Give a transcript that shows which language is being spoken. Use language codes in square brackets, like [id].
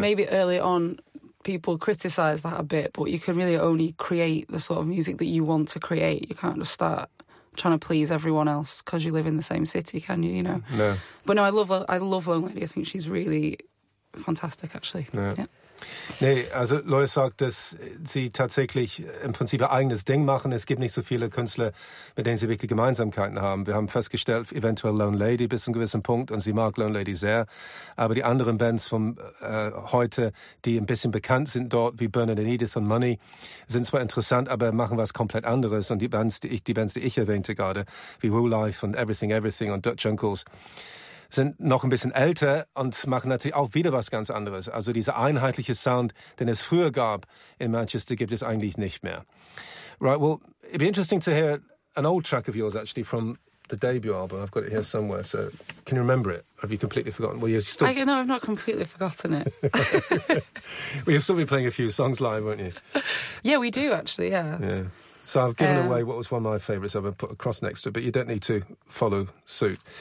[en] Maybe early on, people criticise that a bit, but you can really only create the sort of music that you want to create. You can't just start trying to please everyone else because you live in the same city, can you? You know. No. But no, I love Lone Lady. I think she's really fantastic, actually. Yeah. [de] Nee, also Lois sagt, dass sie tatsächlich im Prinzip ihr eigenes Ding machen. Es gibt nicht so viele Künstler, mit denen sie wirklich Gemeinsamkeiten haben. Wir haben festgestellt, eventuell Lone Lady bis zu einem gewissen Punkt, und sie mag Lone Lady sehr. Aber die anderen Bands von heute, die ein bisschen bekannt sind dort, wie Bernard and Edith und Money, sind zwar interessant, aber machen was komplett anderes. Und die Bands, die ich erwähnte gerade, wie Woo Life und Everything Everything und Dutch Uncles, sind noch ein bisschen älter und machen natürlich auch wieder was ganz anderes. Also dieser einheitliche Sound, den es früher gab in Manchester, gibt es eigentlich nicht mehr. [en] Right, well, it'd be interesting to hear an old track of yours, actually, from the debut album. I've got it here somewhere, so can you remember it? Or have you completely forgotten? Well, you're still... No, I've not completely forgotten it. Well, you'll still be playing a few songs live, won't you? Yeah, we do, actually, yeah. Yeah. So I've given away what was one of my favourites. I've put across next to it, but you don't need to follow suit.